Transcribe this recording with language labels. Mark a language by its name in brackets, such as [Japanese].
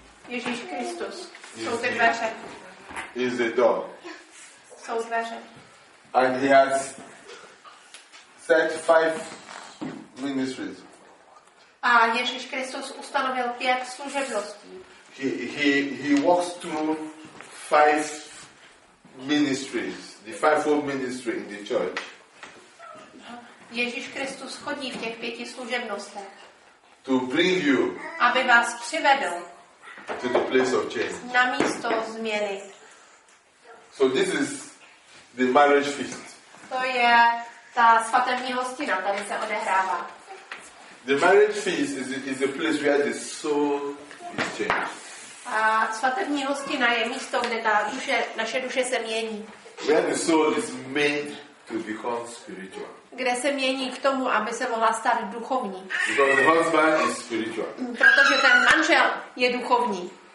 [Czech] Ježíš Kristus. Jsou ty dveře. [English] Is the door. And he has set 5 ministries. [Czech] A Ježíš Kristus ustanovil 5 služebností. [English] He walks through 5 ministries, the 5-fold ministry in the church. [Czech] Ježíš Kristus chodí v těch 5 služebnostech. [English] To bring you. [Czech] Aby vás přivedl. [English] To the place of change. [Czech] Na místo změny. [English] So this is the marriage feast. [Czech] To je ta svatební hostina, tady se odehrává. [English] The marriage feast is a place where the soul is changed. [Czech] A svatební hostina je místo, kde ta duše, naše duše se mění. [English] Where the soul is made to become spiritual. [Czech] Kde se mění k tomu, aby se mohla stát duchovní. [English] Because the husband is spiritual. [Czech] Protože ten manžel je duchovní.